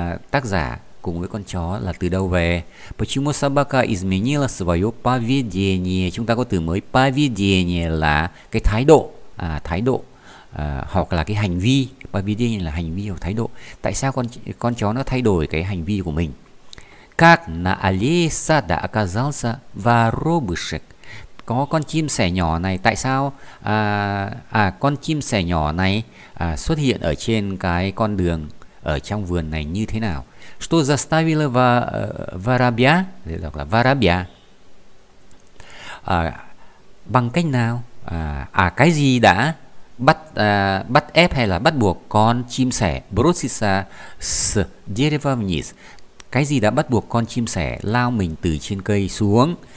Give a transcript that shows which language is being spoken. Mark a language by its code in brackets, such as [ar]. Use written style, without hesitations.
[vi] Tác giả cùng với con chó là từ đâu về? [ru] Почему собака изменила свое поведение? [vi] Chúng ta có từ mới поведение là cái thái độ, thái độ. Hoặc là cái hành vi, bởi vì đây là hành vi hoặc thái độ. Tại sao con chó nó thay đổi cái hành vi của mình? [ru] Как на аллее сада оказался воробышек? [vi] Có con chim sẻ nhỏ này, tại sao con chim sẻ nhỏ này xuất hiện ở trên cái con đường ở trong vườn này như thế nào. [ru] Что заставило воробья, [vi] tức là воробья, bằng cách nào, cái gì đã bắt bắt ép hay là bắt buộc con chim sẻ [ru] броситься с дерева вниз, [vi] cái gì đã bắt buộc con chim sẻ lao mình từ trên cây xuống.